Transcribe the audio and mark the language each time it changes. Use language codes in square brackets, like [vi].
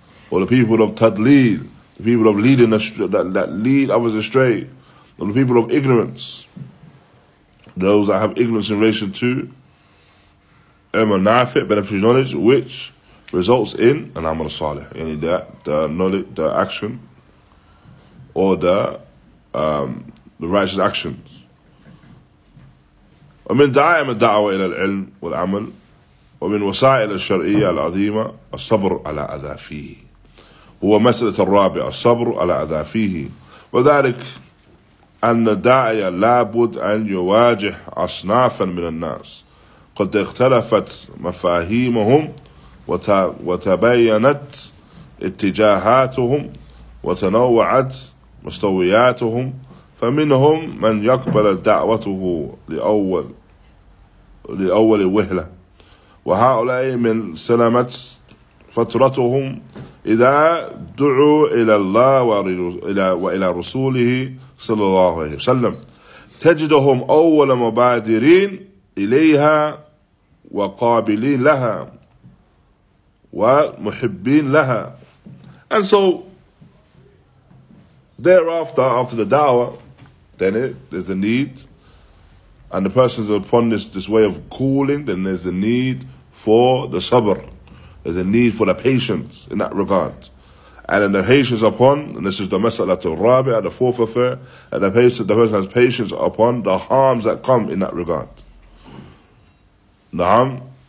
[en] Or the people of tadlil, the people of leading astray, that lead others astray, or the people of ignorance, those that have ignorance in relation to ilmul nafi', beneficial knowledge, which results in an amal salih, yani the knowledge, the action, or the righteous actions. [ar] ومن دعائم الدعوة إلى العلم والعمل ومن وسائل الشرعية العظيمة الصبر على أذى فيه هو مسألة الرابع الصبر على أذى فيه وذلك أن الداعي لابد أن يواجه أصنافا من الناس قد اختلفت مفاهيمهم وتبينت اتجاهاتهم وتنوعت مستوياتهم فمنهم من يقبل دعوته لأول وهلة وهؤلاء من سلمت فترتهم إذا دعوا إلى الله وإلى رسوله صلى الله عليه وسلم تجدهم أول مبادرين إليها وقابلين لها ومحبين لها. [en] And so thereafter, after the da'wah, then there's the need, and the person's upon this way of calling, then there's the need for the sabr. There's a need for the patience in that regard. And then the patience upon, and this is the mas'alat al-rabi'ah, the fourth affair, and the person has patience upon the harms that come in that regard. Na'am.